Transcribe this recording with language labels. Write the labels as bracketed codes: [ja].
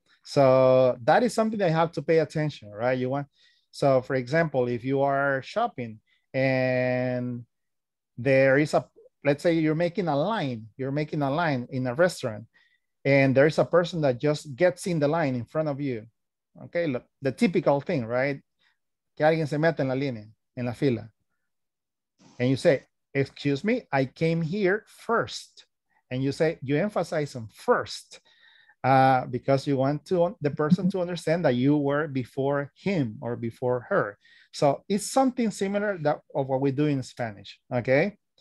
[en] So that is something that you have to pay attention, right? You want, so for example, if you are shopping and there is a, let's say you're making a line in a restaurant, and there is a person that just gets in the line in front of you. Okay, look, the typical thing, right? [es] Que alguien se mete en la línea, en la fila. [en] And you say, excuse me, I came here first. And you say, you emphasize on first because you want to the person to understand that you were before him or before her. So it's something similar that of what we do in Spanish, okay?